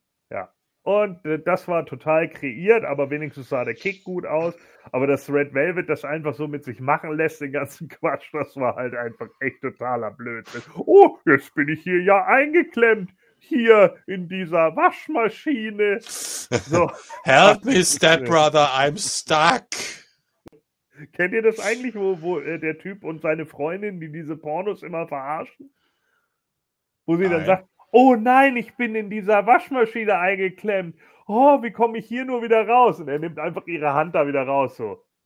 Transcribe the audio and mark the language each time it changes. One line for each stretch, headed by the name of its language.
German: Ja, und das war total kreiert, aber wenigstens sah der Kick gut aus. Aber dass Red Velvet das einfach so mit sich machen lässt, den ganzen Quatsch, das war halt einfach echt totaler Blödsinn. Oh, jetzt bin ich hier ja eingeklemmt, hier in dieser Waschmaschine. So.
English: Help me, Stepbrother, I'm stuck.
German: Kennt ihr das eigentlich, wo der Typ und seine Freundin, die diese Pornos immer verarschen? Wo sie dann sagt, oh nein, ich bin in dieser Waschmaschine eingeklemmt. Oh, wie komme ich hier nur wieder raus? Und er nimmt einfach ihre Hand da wieder raus. So.